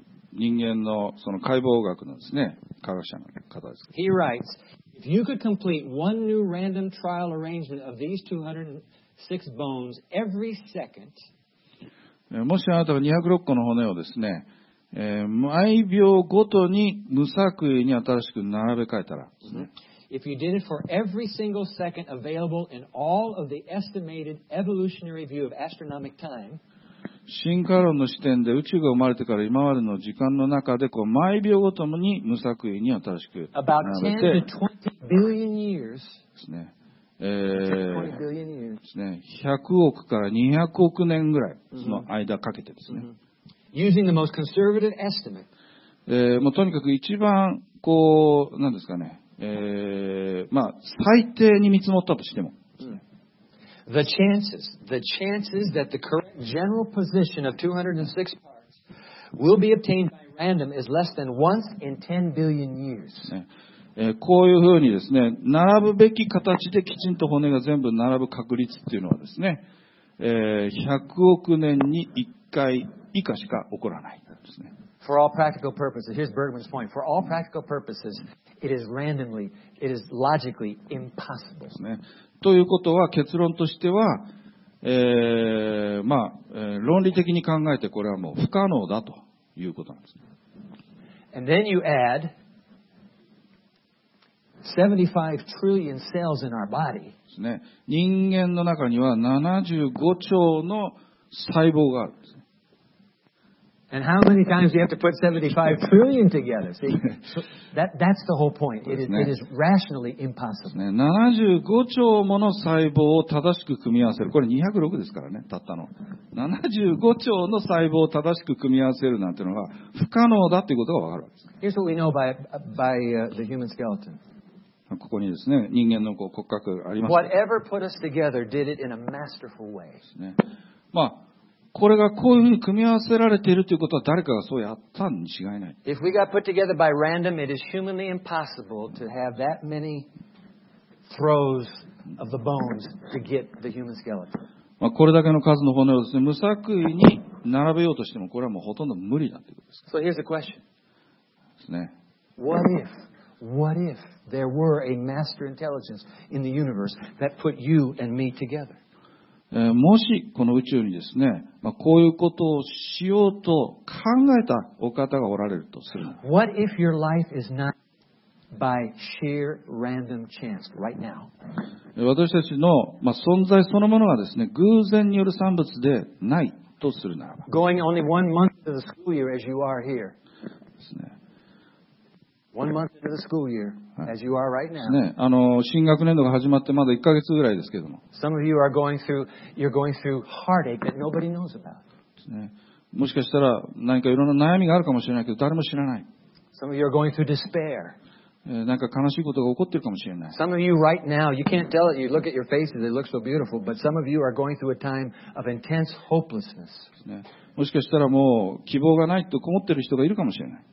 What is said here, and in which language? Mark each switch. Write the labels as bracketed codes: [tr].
[ja] 人間のその解剖学のですね、科学者の方です。 [en] He writes, if you could complete one new random trial arrangement of these 206 bones every second, [ja] もしあなたが206個の骨をですね、毎秒ごとに無作為に新しく並べ替えたらですね、mm-hmm. [en] If you did it for every single second available in all of the estimated evolutionary view of astronomic time, [ja] 進化論の視点で宇宙が生まれてから今までの時間の中でこう毎秒ごとに無作為に新しく [en] about 10 to 20 billion years [ja] ですね。ですね。 100億から200億年ぐらいその間かけてですね。 [en] Using the most conservative estimate, [ja] もうとにかく一番こうなんですかね。まあ、最低に見積もったとしても、 [en] The chances, the chances that the correct general position of 206 parts will be obtained by random is less than once in 10 billion years.、 [ja] こういうふうにですね、並ぶべき形できちんと骨が全部並ぶ確率っていうのはですね、100億年に1回以下しか起こらないですね。 [en] For all practical purposes, here's Bergman's point. For all practical purposes,It is randomly, it is logically impossible. [ja] ですね。ということは結論としては、まあ、論理的に考えてこれはもう不可能だということなんです。 [en] And then you add 75 trillion cells in our body. [ja] ですね。人間の中には75兆の細胞があるんです。 [en] And how many times do you have to put 75 trillion together? See, that's the whole point. It is rationally impossible. [ja] 75兆もの細胞を正しく組み合わせる。これ206ですからね、たったの。 75兆の細胞を正しく組み合わせるなんてのは不可能だということがわかるわけです。 [en] Here's what we know by the human skeleton. [ja] ここにですね、人間のこう骨格あります。 [en] Whatever put us together did it in a masterful way. [ja] ですね。まあこれがこういうふうに組み合わせられているということは誰かがそうやったに違いない。 [en] If we got put together by random, it is humanly impossible to have that many throws of the bones to get the human skeleton. [ja] まあこれだけの数の骨をですね、無作為に並べようとしても、これはもうほとんど無理だということです。 [en] So here's a question. [ja] ですね。 [en] What if there were a master intelligence in the universe that put you and me together? [ja] もしこの宇宙にですね、まあ、こういうことをしようと考えたお方がおられるとする。 [en] What if your life is not by sheer random chance right now? [ja] 私たちの、まあ、存在そのものがですね、偶然による産物でないとするならば。 [en] Going only 1 month into the school year as you are here. [ja] ですね。 [en] 1 month into the school year. As you are right now. [ja] ね、あの新学年度が始まってまだ1ヶ月ぐらいですけども。 [en] Some of you are going through heartache that nobody knows about. [ja] ね、もしかしたら何かいろんな悩みがあるかもしれないけど誰も知らない。 [en] Some of you are going through despair. [ja] なんか悲しいことが起こっているかもしれない。 [en] Some of you right now, you can't tell it. You look at your faces, they look so beautiful. But some of you are going through a time of intense hopelessness.、 [ja] ね、もしかしたらもう希望がないと困っている人がいるかもしれない。